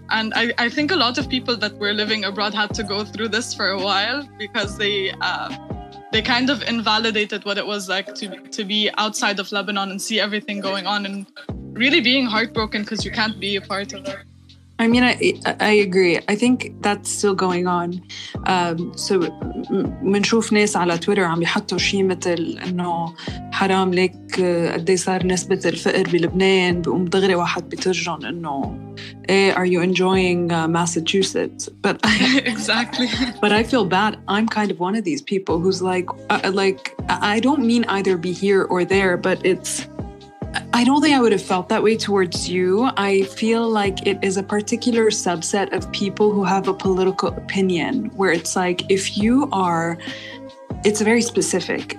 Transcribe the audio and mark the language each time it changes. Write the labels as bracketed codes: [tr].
[en] And I think a lot of people that were living abroad had to go through this for a while, because they kind of invalidated what it was like to be outside of Lebanon and see everything going on and really being heartbroken because you can't be a part of it. I mean, I agree. I think that's still going on. [ar] So منشوف ناس على تويتر عم يحطوا شيء مثل إنه حرام لك قدي صار نسبة الفقر بلبنان بقوم دغري واحد بترجون إنه إيه, [en] are you enjoying Massachusetts? But exactly. But I feel bad. I'm kind of one of these people who's like I don't mean either be here or there, but it's, I don't think I would have felt that way towards you. I feel like it is a particular subset of people who have a political opinion where it's like, if you are, it's very specific.